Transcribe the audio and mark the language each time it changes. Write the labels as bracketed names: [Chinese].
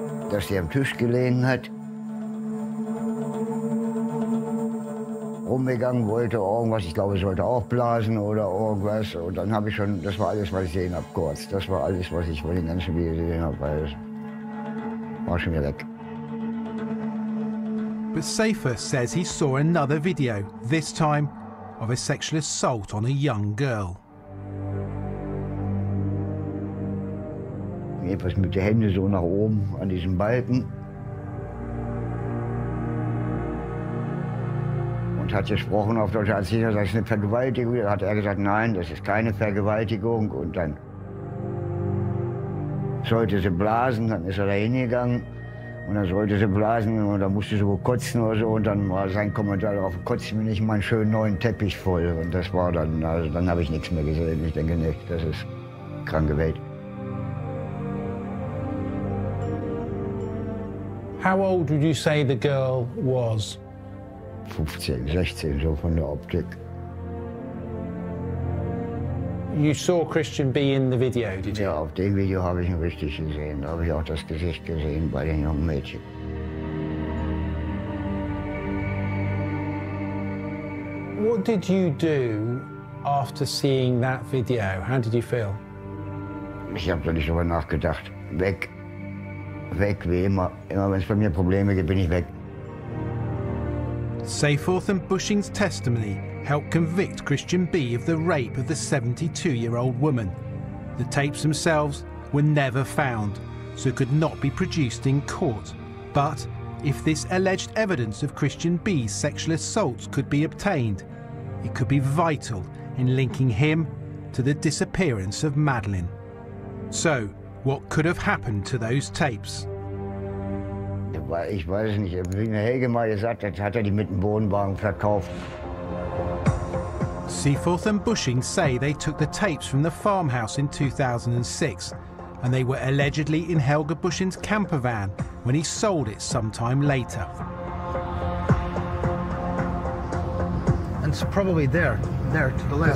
[German] Dass sie am Tisch gelegen hat, rumgegangen wollte, irgendwas, ich glaube, sollte auch blasen oder irgendwas. Und dann habe ich schon, das war alles, was ich gesehen habe, kurz. Das war alles, was ich von den ganzen Videos gesehen habe, weil es war schon wieder weg. [English] But Safer says he saw another video, this time of a sexual assault on a young girl. [German] Etwas mit den Händen so nach oben an diesem Balken. Und hat gesprochen auf Deutsch, als ich gesagt, das ist eine Vergewaltigung. Da hat er gesagt, nein, das ist keine Vergewaltigung. Und dann sollte sie blasen, dann ist er da hingegangen. Und dann sollte sie blasen und dann musste sie wohl kotzen oder so. Und dann war sein Kommentar darauf, kotze mir nicht meinen schönen neuen Teppich voll. Und das war dann, also dann habe ich nichts mehr gesehen. Ich denke nicht, das ist kranke Welt. [English] How old would you say the girl was? [German] 15, 16, so von der Optik. [English] You saw Christian B. in the video, did you? [German] Ja, auf dem Video habe ich ihn richtig gesehen. Da habe ich auch das Gesicht gesehen bei den jungen Mädchen. [English] What did you do after seeing that video? How did you feel? [German] Ich habe da nicht drüber nachgedacht. Weg. Weg, wie immer. Immer wenn es bei mir Probleme gibt, bin ich weg. [English] Seyferth and Bushing's testimony helped convict Christian B. of the rape of the 72-year-old woman. The tapes themselves were never found, so could not be produced in court. But if this alleged evidence of Christian B.'s sexual assaults could be obtained, it could be vital in linking him to the disappearance of Madeleine. So, what could have happened to those tapes? [German] Ich weiß nicht, wie mir Helge mal gesagt hat, hat er die mit dem Bodenwagen verkauft. [English] Seyferth and Bushing say they took the tapes from the farmhouse in 2006 and they were allegedly in Helga Bushing's camper van when he sold it sometime later. And it's probably there, there to the left.